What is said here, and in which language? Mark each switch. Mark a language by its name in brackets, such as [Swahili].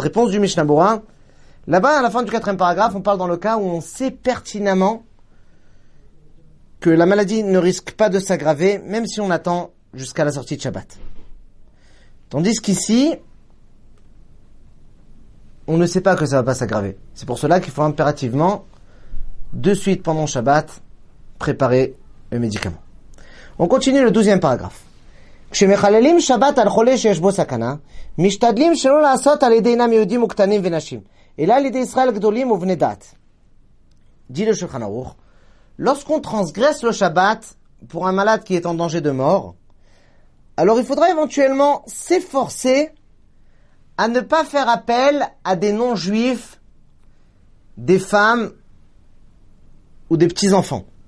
[French] Réponse du Mishnah Berurah. Là-bas, à la fin du quatrième paragraphe, on parle dans le cas où on sait pertinemment que la maladie ne risque pas de s'aggraver, même si on attend jusqu'à la sortie de Shabbat. Tandis qu'ici, on ne sait pas que ça ne va pas s'aggraver. C'est pour cela qu'il faut impérativement, de suite pendant Shabbat, préparer le médicament. On continue le 12e paragraphe. [Hebrew] כשמחללים שבת על חולה שיש בו סכנה, משתדלים שלא לעשות על ידי אינם יהודים וקטנים ונשים, אלא על ידי ישראל גדולים ובני דת. [French] דיל השולחן ערוך, lorsqu'on transgresse le Shabbat pour un malade qui est en danger de mort, alors il faudra éventuellement s'efforcer à ne pas faire appel à des non-juifs, des femmes ou des petits-enfants.